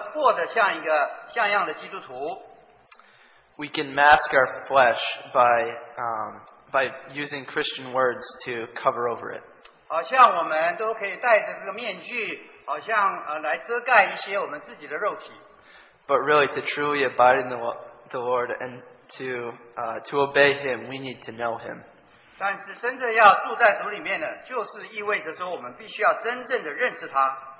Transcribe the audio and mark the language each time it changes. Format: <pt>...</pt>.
<zh>也就像在那个小组交通里头的时候，我们这样交通，即使在我们生命当中、生活当中，我们要过得像一个像样的基督徒。</zh> <en>We can mask our flesh by using Christian words to cover over it.</en> <zh>好像我们都可以戴着这个面具，好像来遮盖一些我们自己的肉体。</zh> <en>But really, to truly abide in the Lord and to obey Him, we need to know Him.</en> <zh>但是真正要住在主里面呢，就是意味着说我们必须要真正的认识他。</zh>